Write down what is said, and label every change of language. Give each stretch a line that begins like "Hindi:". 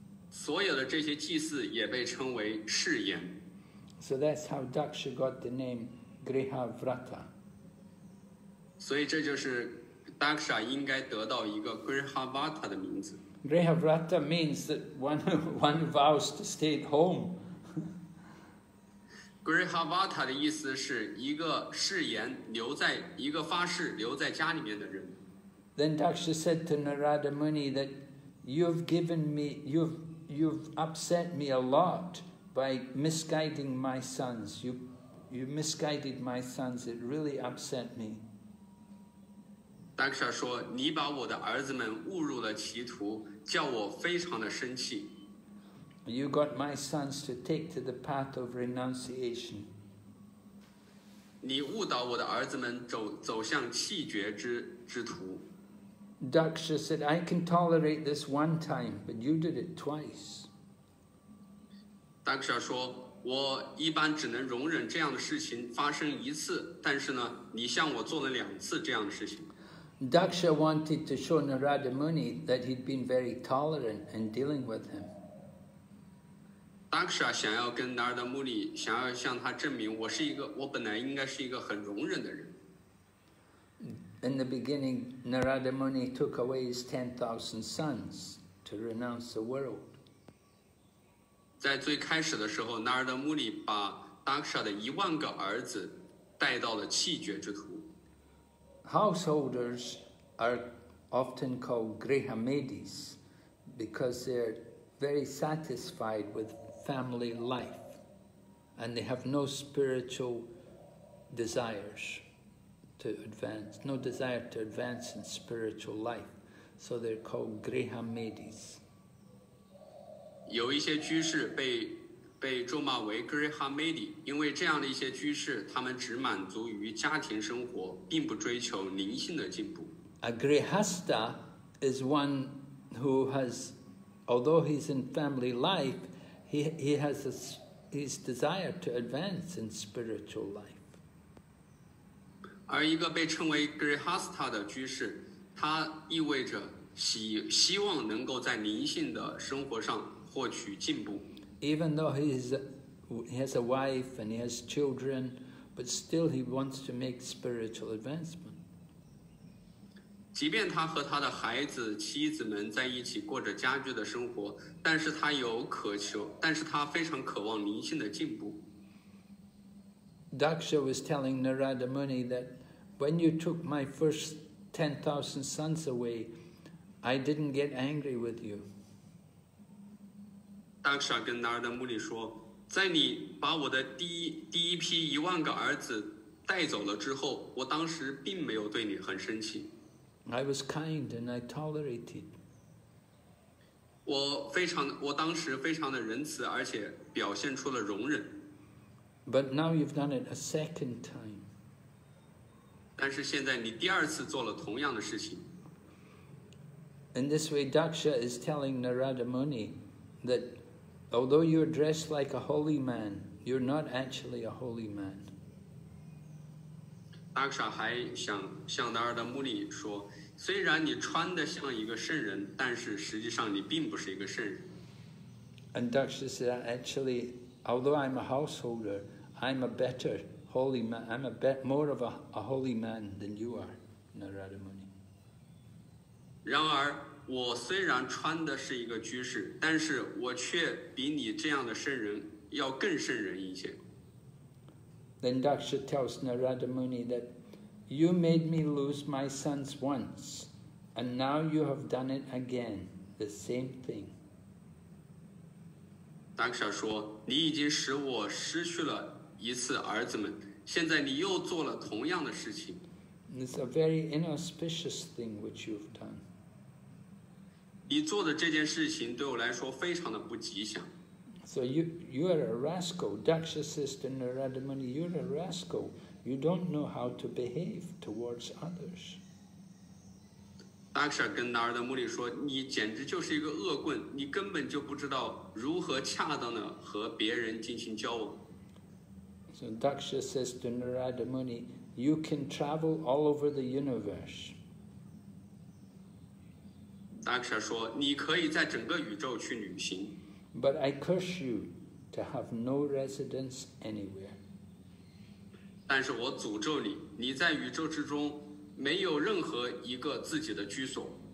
Chinese: 所有的这些祭祀也被称为誓言。
English: So that's how Daksha got the name Grihavrata.
Chinese: 所以这就是 Daksha 应该得到一个 Grihavrata 的名字。
English: Grihavrata means that one vows to stay at home.
Chinese: Grihavrata 的意思是一个誓言留在一个发誓留在家里面的人。
English: Then Daksha said to Narada Muni that you've upset me a lot by misguiding my sons. You misguided my sons. It really upset me.
Chinese: Daksha 说你把我的儿子们误入了歧途。叫我非常的生气。
English: You got my sons to take to the path of renunciation.
Chinese: 你误导我的儿子们走向弃绝之途。
English: Daksha said, I can tolerate this one time, but you did it twice.
Chinese: Daksha 说，我一般只能容忍这样的事情发生一次，但是呢，你向我做了两次这样的事情。
English: Daksha wanted to show Narada Muni that he'd been very tolerant in dealing with him.
Chinese: Daksha 想要跟 Narada Muni 想要向他证明我本来应该是一个很容忍的人。
English: In the beginning, Narada Muni took away his 10,000 sons to renounce the world.
Chinese: 在最开始的时候 ，Narada Muni 把 Daksha 的一万个儿子带到了弃绝之途。
English: Householders are often called Grihamedis because they're very satisfied with family life and they have no spiritual desires to advance, no desire to advance in spiritual life. So they're called Grihamedis.
Chinese: 有一些居士被咒骂为 Grihamedi， 因为这样的一些居士，他们只满足于家庭生活，并不追求灵性的进步。
English: A Grihasta is one who has, although he's in family life, he has his desire to advance in spiritual life.
Chinese: 而一个被称为 Grihasta 的居士，他意味着希望能够在灵性的生活上获取进步。
English: Even though he has a wife and he has children, but still he wants to make spiritual advancement.
Chinese: 即便他和他的孩子、妻子们在一起过着家居的生活，但是他非常渴望灵性的进步。
English: Daksha was telling Narada Muni that when you took my first 10,000 sons away, I didn't get angry with you.
Chinese: Daksha 跟 Narada Muni 说，在你把我的第一批一万个儿子带走了之后，我当时并没有对你很生气。
English: I was kind and I tolerated.
Chinese: 我当时非常的仁慈，而且表现出了容忍。
English: But now you've done it a second time.
Chinese: 但是现在你第二次做了同样的事情。
English: In this way, Daksha is telling Narada Muni that. Although you're dressed like a holy man, you're not actually a holy man.
Chinese: Daksha 还想向 Narada Muni 说，虽然你穿得像一个圣人，但是实际上你并不是一个圣人。
English: And Daksha said, actually, although I'm a householder, I'm a better holy man. I'm more of a holy man than you are, Narada Muni.
Chinese: 然而。我虽然穿的是一个居士，但是我却比你这样的圣人要更圣人一些。
English: Then Daksha tells Narada Muni that you made me lose my sons once, and now you have done it again, the same thing.
Chinese: Daksha 说，你已经使我失去了一次儿子们，现在你又做了同样的事情。
English: It's a very inauspicious thing which you've done.
Chinese: 你做的这件事情对我来说非常的不吉祥。
English: So you are a rascal. Daksha says to Narada Muni, you're a rascal. You don't know how to behave towards others.
Chinese: Daksha 跟 Narada Muni 说，你简直就是一个恶棍，你根本就不知道如何恰当的和别人进行交往。
English: So Daksha says to Narada Muni, you can travel all over the universe.
Chinese: Daksha 说，你可以在整个宇宙去旅行。
English: But I curse you to have no residence anywhere.
Chinese: 但是我诅咒你，你在宇宙之中没有任何一个自己的居所。